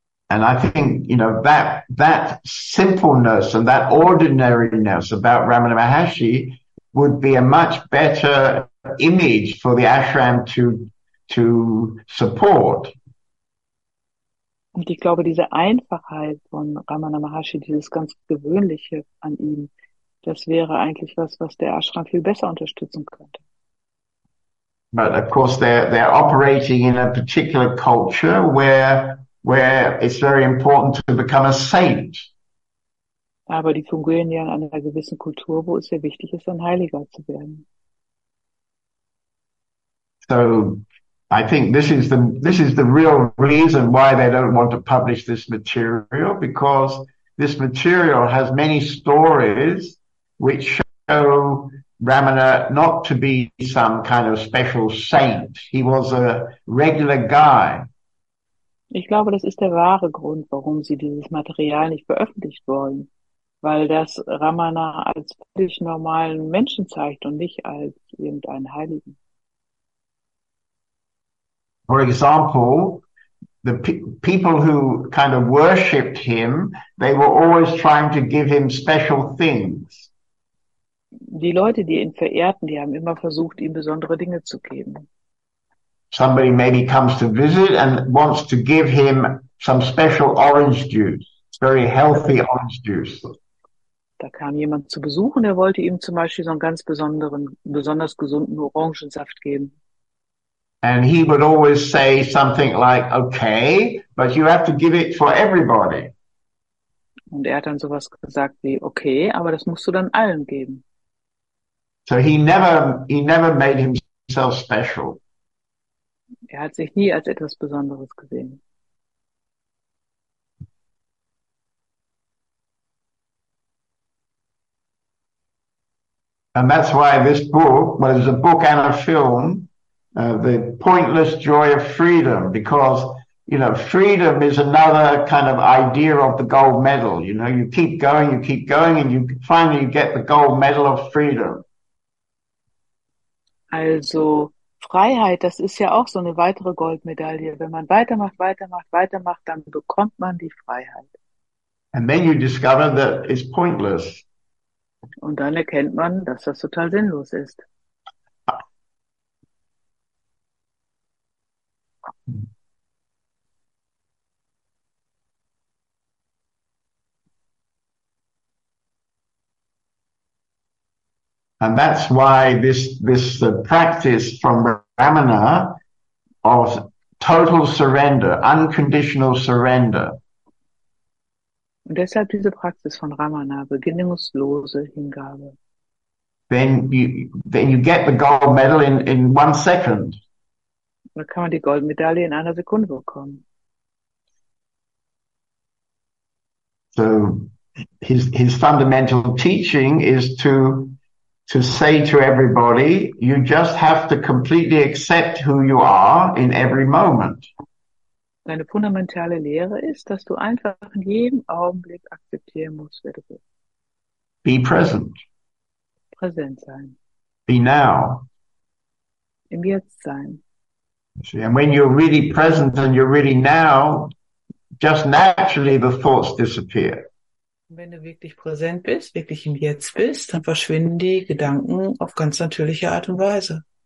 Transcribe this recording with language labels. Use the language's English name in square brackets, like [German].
[English] And I think, you know, that simpleness and that ordinariness about Ramana Maharshi would be a much better image for the ashram to support. [German] Und ich glaube, diese Einfachheit von Ramana Maharshi, dieses ganz Gewöhnliche an ihm, das wäre eigentlich was der Ashram viel besser unterstützen könnte. [English] But of course they're operating in a particular culture where where it's very important to become a saint. [German] Aber die fungieren ja in einer gewissen Kultur, wo es sehr wichtig ist, ein Heiliger zu werden. [English] So I think this is the real reason why they don't want to publish this material, because this material has many stories which show Ramana not to be some kind of special saint. He was a regular guy. [German] Ich glaube, das ist der wahre Grund, warum sie dieses Material nicht veröffentlicht wollen, weil das Ramana als völlig normalen Menschen zeigt und nicht als irgendeinen Heiligen. [English] For example, the people who kind of worshipped him, they were always trying to give him special things. [German] Die Leute, die ihn verehrten, die haben immer versucht, ihm besondere Dinge zu geben. [English] Somebody maybe comes to visit and wants to give him some special orange juice, very healthy orange juice. [German] Da kam jemand zu Besuch und er wollte ihm zum Beispiel so einen ganz besonderen, besonders gesunden Orangensaft geben. [English] And he would always say something like, okay, but you have to give it for everybody. [German] Und er hat dann sowas gesagt wie, okay, aber das musst du dann allen geben. [English] So he never made himself special. [German] Er hat sich nie als etwas Besonderes gesehen. [English] And that's why this book, well, it's a book and a film, The Pointless Joy of Freedom, because, you know, freedom is another kind of idea of the gold medal. You know, you keep going, and you finally get the gold medal of freedom. [German] Also, Freiheit, das ist ja auch so eine weitere Goldmedaille. Wenn man weitermacht, weitermacht, weitermacht, dann bekommt man die Freiheit. [English] And then you discover that it's pointless. [German] Und dann erkennt man, dass das total sinnlos ist. [English] And that's why this practice from Ramana of total surrender, unconditional surrender. [German] Und deshalb diese Praxis von Ramana, bedingungslose Hingabe. [English] Then you get the gold medal in 1 second. [German] Da kann man die Goldmedaille in einer Sekunde bekommen. [English] So his fundamental teaching is to say to everybody, you just have to completely accept who you are in every moment. [German] Deine fundamentale Lehre ist, dass du einfach in jedem Augenblick akzeptieren musst, wer du bist. [English] Be present. [German] Präsent sein. [English] Be now. [German] Im Jetzt sein. [English] See, and when you're really present and you're really now, just naturally the thoughts disappear. [German] Wenn du wirklich präsent bist, wirklich im Jetzt bist, dann verschwinden die Gedanken auf ganz natürliche Art und Weise.